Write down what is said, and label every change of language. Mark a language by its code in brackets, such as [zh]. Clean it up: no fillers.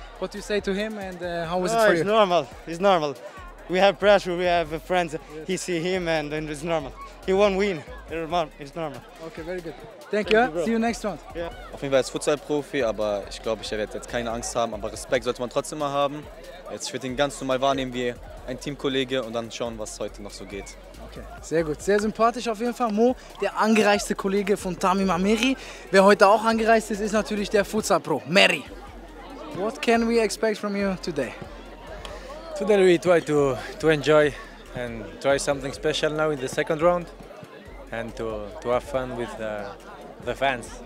[en] What do you say to him and how was it for you? It's normal, it's normal. We have pressure, we have friends, he see him and it's normal. He won't win, it's normal. Okay, very good. Thank you. See you next round. Yeah. [de] Auf jeden Fall ist Futsal-Profi, aber ich glaube, ich werde jetzt keine Angst haben, aber Respekt sollte man trotzdem mal haben. Jetzt wird ihn ganz normal wahrnehmen wie ein Teamkollege und dann schauen, was heute noch so geht. Okay, sehr gut. Sehr sympathisch auf jeden Fall. Mo, der angereichste Kollege von Tamim Ameri. Wer heute auch angereist ist, ist natürlich der Futsal-Pro, Mary. [en] What can we expect from you today? Today we try to enjoy and try something special now in the second round and to have fun with the fans.